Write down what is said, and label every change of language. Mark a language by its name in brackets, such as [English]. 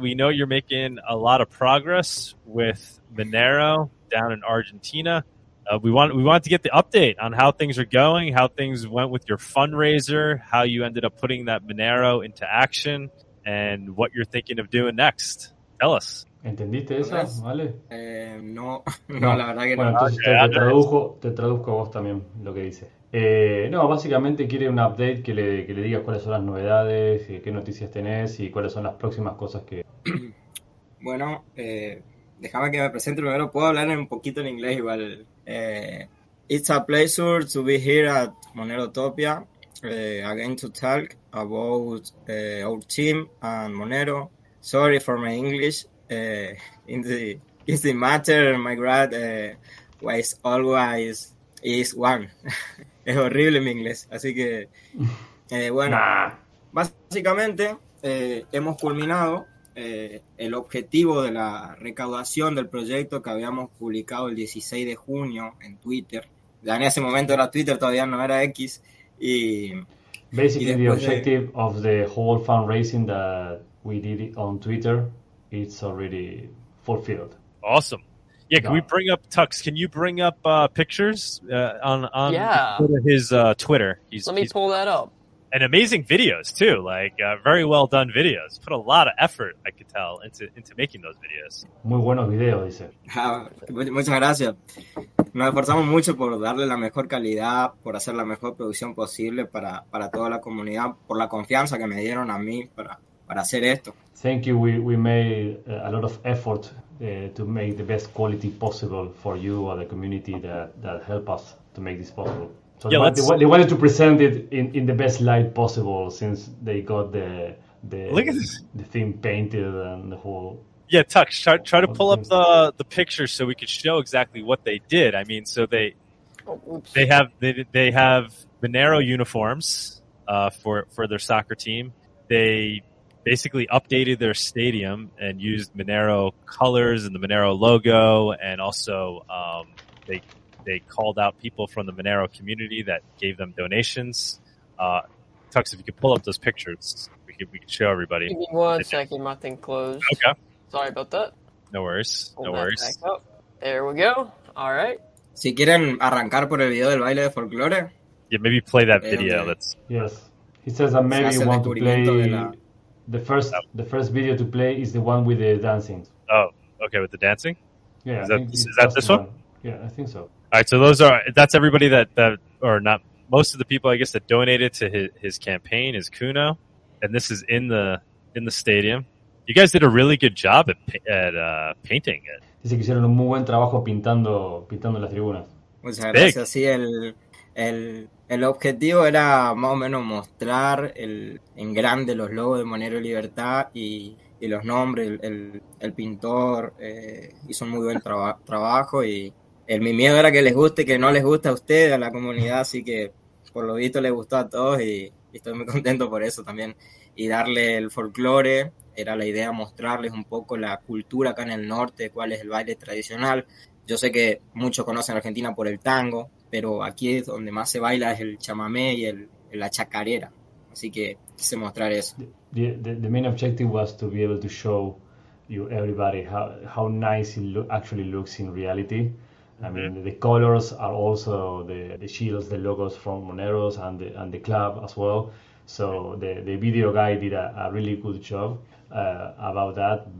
[English] We know you're making a lot of progress with Monero down in Argentina. We want to get the update on how things are going, how things went with your fundraiser, how you ended up putting that Monero into action, and what you're thinking of doing next. Tell us. [Spanish] ¿Entendiste eso? ¿Vale? No, la verdad que bueno, no. Entonces te traduzco vos también lo que dice. No, básicamente quiere un update que le digas cuáles son las novedades, qué noticias tenés y cuáles son las próximas cosas que... Bueno, déjame que me presente primero. Puedo hablar un poquito en inglés igual. [English] It's a pleasure to be here at Monerotopia again to talk about our team and Monero. Sorry for my English. In the matter, my grad was always is one. [Spanish] Es horrible mi inglés. Así que, bueno, básicamente hemos culminado el objetivo de la recaudación del proyecto que habíamos publicado el 16 de junio en Twitter. Ya en ese momento era Twitter, todavía no era X. Y [English] basically, y the objective of the whole fundraising that we did on Twitter, it's already fulfilled. Awesome. Yeah, can we bring up Tux? Can you bring up pictures on his Twitter? Let me pull that up. And amazing videos too, like very well done videos. Put a lot of effort, I could tell, into making those videos. [Spanish] Muy buenos videos, dice. Muchas gracias. Nos esforzamos mucho por darle la mejor calidad, por hacer la mejor producción posible para toda la comunidad, por la confianza que me dieron a mí para hacer esto. [English] Thank you. We made a lot of effort to make the best quality possible for you or the community that helped us to make this possible. So yeah, they wanted to present it in the best light possible since they got the theme painted and the whole... Yeah, Tux, try to pull up the picture so we could show exactly what they did. I mean, so they have Monero uniforms for their soccer team. They basically updated their stadium and used Monero colors and the Monero logo, and also they called out people from the Monero community that gave them donations. Tux, if you could pull up those pictures, we could show everybody. Give me one second, my thing closed. Okay. Sorry about that. No worries. There we go. All right. [Spanish] Si quieren arrancar por el video del baile de folclore. [English] Yeah, maybe play that video. Okay. Let's. Yes. He says that maybe you want to play the first video to play is the one with the dancing. Oh, okay, with the dancing? Yeah. Is that this one? Yeah, I think so. All right, so that's everybody that or not most of the people, I guess, that donated to his campaign is Kuno, and this is in the stadium. You guys did a really good job at painting it. [Spanish] Dice que hicieron un muy buen trabajo pintando las tribunas. Muchas gracias. Sí, el objetivo era más o menos mostrar en grande los logos de Monero Libertad y los nombres. El pintor hizo un muy buen trabajo y mi miedo era que les guste, que no les guste a ustedes, a la comunidad, así que por lo visto les gustó a todos y estoy muy contento por eso también. Y darle el folclore, era la idea mostrarles un poco la cultura acá en el norte, cuál es el baile tradicional. Yo sé que muchos conocen a Argentina por el tango, pero aquí es donde más se baila es el chamamé y la chacarera. Así que quise mostrar eso. [English] The main objective was to be able to show you everybody how nice it actually looks in reality. I mean, the colors are also the shields, the logos from Moneros and the club as well. So the video guy did a really good job about that.